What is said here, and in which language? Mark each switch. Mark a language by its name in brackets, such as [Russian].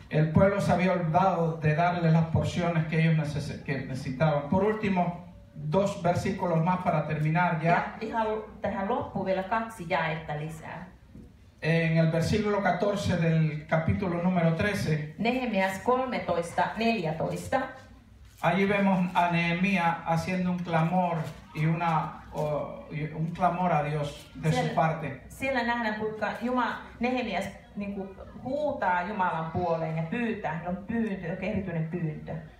[Spanish] El pueblo se había olvidado de darle las porciones que ellos necesitaban. Por último, dos versículos más para terminar ya. [Finnish] Tähän loppuun vielä kaksi jaetta lisää. [Spanish] En el versículo 14 del capítulo número 13. Nehemías 13:14. Allí vemos a Nehemías haciendo un clamor y una un clamor a Dios de su parte. [Finnish] Siellä nähdään, kuinka Nehemías niinku huutaa Jumalan puoleen ja pyytää, on pyyntö, erityinen pyyntö.